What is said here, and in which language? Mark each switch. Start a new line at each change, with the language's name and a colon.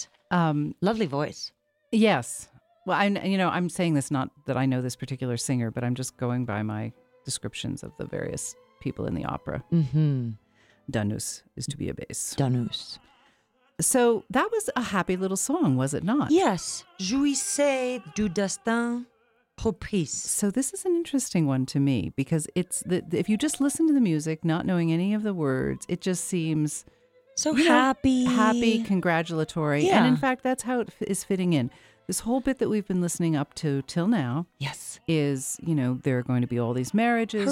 English: Lovely voice. Yes. Well, I'm saying this not that I know this particular singer, but I'm just going by my descriptions of the various people in the opera. Mm-hmm. Danus is to be a bass. Danus. So that was a happy little song, was it not? Yes.
French: Jouissez du destin propice.
English: So this is an interesting one to me because it's the if you just listen to the music, not knowing any of the words, it just seems so happy. Happy, congratulatory. Yeah. And in fact, that's how it is fitting in. This whole bit that we've been listening up to till now, yes, is, you know, there are going to be all these marriages.